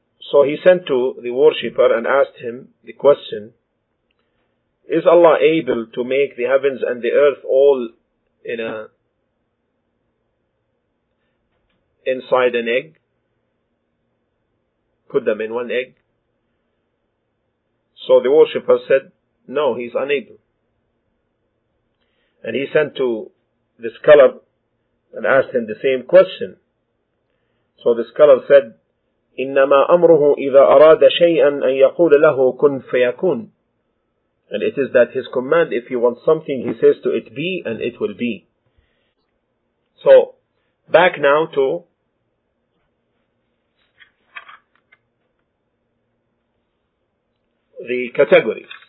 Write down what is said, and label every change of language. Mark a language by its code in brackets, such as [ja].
[en] So he sent to the worshipper and asked him the question, is Allah able to make the heavens and the earth all inside an egg? Put them in one egg? So the worshipper said, no, he's unable. And he sent to the scholar and asked him the same question. So the scholar said, [ar] إِنَّمَا أَمْرُهُ إِذَا أَرَادَ شَيْئًا أَنْ يَقُولَ لَهُ كُنْ فَيَكُونَ. [en] And it is that his command, if he wants something, he says to it, be, and it will be. So, back now to the categories.